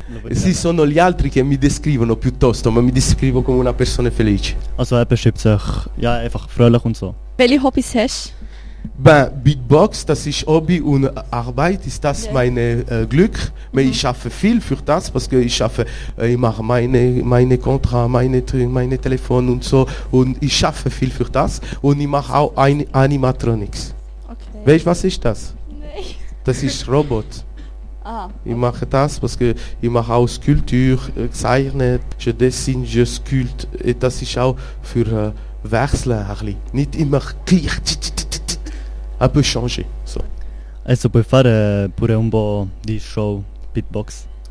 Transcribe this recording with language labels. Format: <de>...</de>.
<it>Sì, sono gli altri che mi descrivono piuttosto, ma mi descrivo come una persona felice.</it> <de>Also, er beschreibt sich, ja, einfach fröhlich und so. Welche Hobbys hast du? Ben, Beatbox, das ist Hobby und Arbeit, ist das mein Glück. Aber ich schaffe viel für das,</de> <fr>parce que</fr> <de>ich schaffe, ich mache meine Kontra, meine Telefon und so. Und ich schaffe viel für das und ich mache auch Animatronics. Okay. Weißt du, was ist das? Nein. Das ist Robot. Ah. Ich mache das,</de> <fr>parce que</fr> <de>ich mache auch Skulptur, zeichnet,</de> <fr>je dessine, je sculpte.</fr> <de>Das ist auch für Wechseln ein bisschen. Nicht immer gleich.</de> <fr>Un peu changé.</fr> <de>So.</de> <it>Adesso puoi fare pure un po' di show beatbox.</it>